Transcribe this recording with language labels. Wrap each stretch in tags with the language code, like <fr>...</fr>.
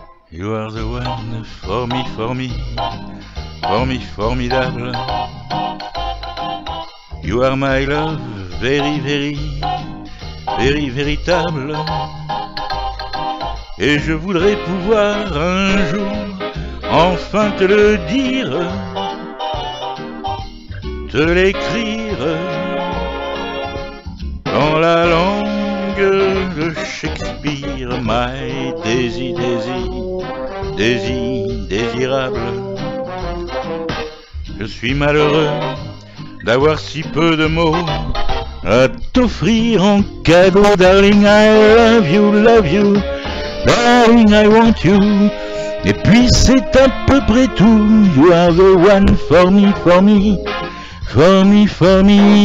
<en>You are the one for me, for me formidable. You are my love, very, very, very véritable.</en> <fr>Et je voudrais pouvoir un jour enfin te le dire, te l'écrire dans la langue de Shakespeare.</fr> <en>My Daisy, Daisy, Daisy, désirable.</en> <fr>Je suis malheureux d'avoir si peu de mots à t'offrir en cadeau.</fr> <en>Darling, I love you, darling, I want you.</en> <fr>Et puis c'est à peu près tout.</fr> <en>You are the one for me, for me, for me, formidable.</en>